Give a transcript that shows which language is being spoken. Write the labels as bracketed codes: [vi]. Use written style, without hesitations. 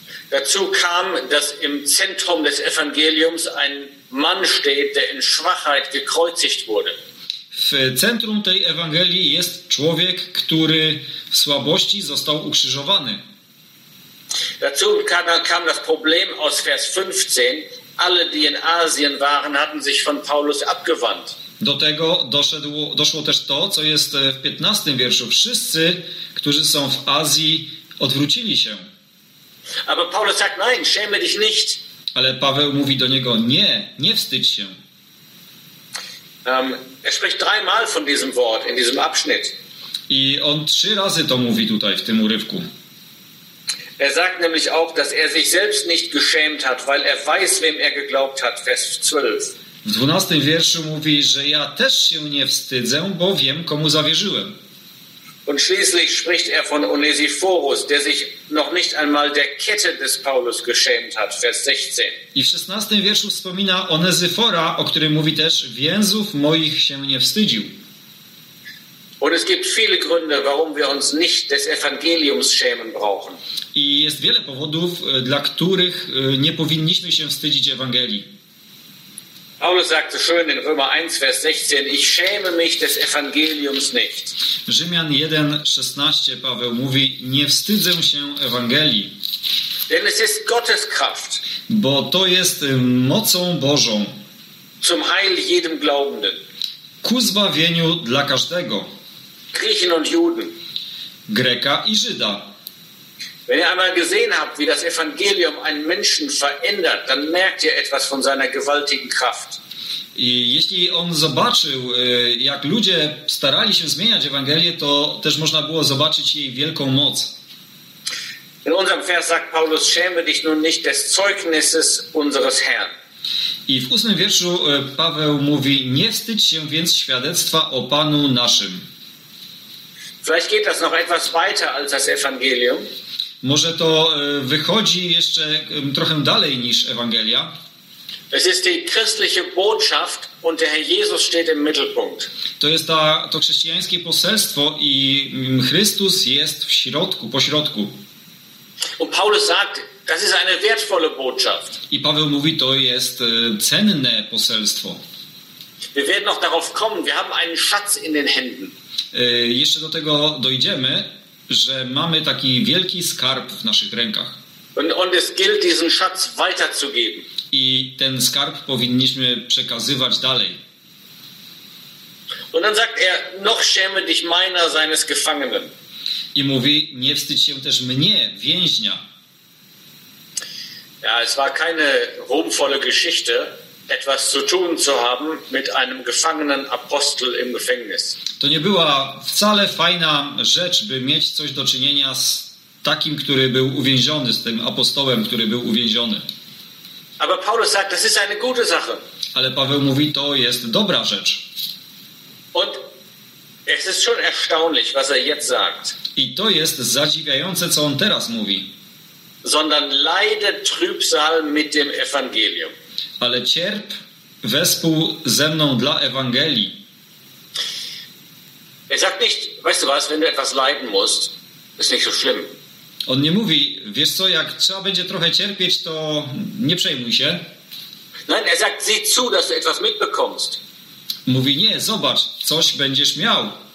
[de] Dazu kam, dass im Zentrum des Evangeliums ein Mann steht, der in Schwachheit gekreuzigt wurde. [pl] W centrum tej Ewangelii jest człowiek, który w słabości został ukrzyżowany. [de] Dazu kam das Problem aus Vers 15. Alle, die in Asien waren, hatten sich von Paulus abgewandt. [pl] Do tego doszło też to, co jest w 15 wierszu. Wszyscy, którzy są w Azji, odwrócili się. [de] Aber Paulus sagt, nein, schäme dich nicht. [pl] Ale Paweł mówi do niego, nie, nie wstydź się. [de] Er spricht dreimal von diesem Wort in diesem Abschnitt. [pl] I on trzy razy to mówi tutaj w tym urywku. [de] Er sagt nämlich auch, dass er sich selbst nicht geschämt hat, weil er weiß, wem er geglaubt hat. Vers 12. [pl] W 12 wierszu mówi, że ja też się nie wstydzę, bo wiem, komu zawierzyłem. [de] Und schließlich spricht er von Onesiphorus, der sich noch nicht einmal der Kette des Paulus geschämt hat, Vers 16. [pl] I w 16 wierszu wspomina Onesyfora, o którym mówi też, więzów moich się nie wstydził. [de] Und es gibt viele Gründe, warum wir uns nicht des Evangeliums schämen brauchen. [pl] I jest wiele powodów, dla których nie powinniśmy się wstydzić Ewangelii. [de] Paulus sagte schön in Römer 1, Vers 16, ich schäme mich des Evangeliums nicht. [pl] Rzymian 1, 16 Paweł mówi, nie wstydzę się Ewangelii. [de] Denn es ist Gottes Kraft. [pl] Bo to jest mocą Bożą. [de] Zum Heil jedem Glaubenden. [pl] Ku zbawieniu dla każdego. [de] Griechen und Juden. [pl] Greka i Żyda. [de] Wenn ihr einmal gesehen habt, wie das Evangelium einen Menschen verändert, dann merkt ihr etwas von seiner gewaltigen Kraft. [pl] I jeśli on zobaczył, jak ludzie starali się zmieniać Ewangelię, to też można było zobaczyć jej wielką moc. [de] In unserem Vers sagt Paulus, schäme dich nun nicht des Zeugnisses unseres Herrn. [pl] I w 8 wierszu Paweł mówi, nie wstydź się więc świadectwa o Panu naszym. [de] Vielleicht geht das noch etwas weiter als das Evangelium. [pl] Może to wychodzi jeszcze trochę dalej niż Ewangelia. [de] Es ist die christliche Botschaft und der Herr Jesus steht im Mittelpunkt. [pl] To jest to chrześcijańskie poselstwo i Chrystus jest w środku, pośrodku. [de] Und Paulus sagt, das ist eine wertvolle Botschaft. [pl] I Paweł mówi, to jest cenne poselstwo. [de] Wir werden noch darauf kommen, wir haben einen Schatz in den Händen. [pl] Jeszcze do tego dojdziemy, że mamy taki wielki skarb w naszych rękach. [de] Und es gilt, diesen Schatz weiterzugeben. [pl] I ten skarb powinniśmy przekazywać dalej. [de] Und dann sagt er, noch schäme dich meiner seines Gefangenen. [pl] I mówi, nie wstydź się też mnie, więźnia. [de] Ja, es war keine ruhmvolle Geschichte, etwas zu tun zu haben mit einem gefangenen Apostel im Gefängnis. [pl] To nie była wcale fajna rzecz, by mieć coś do czynienia z takim, który był uwięziony, z tym apostołem, który był uwięziony. [de] Aber Paulus sagt, das ist eine gute Sache. [pl] Ale Paweł mówi, to jest dobra rzecz. [de] Und es ist schon erstaunlich, was er jetzt sagt. [pl] I to jest zadziwiające, co on teraz mówi. [de] Sondern leide Trübsal mit dem Evangelium. [pl] Ale cierp wespół ze mną dla Ewangelii. [de] Er sagt nicht, weißt du was, wenn du etwas leiden musst, ist nicht so schlimm. [pl] On nie mówi, wiesz co, jak trzeba będzie trochę cierpieć, to nie przejmuj się. [de] Nein, er sagt, sieh zu, dass du etwas mitbekommst. [pl] Mówi, nie, zobacz, coś będziesz miał.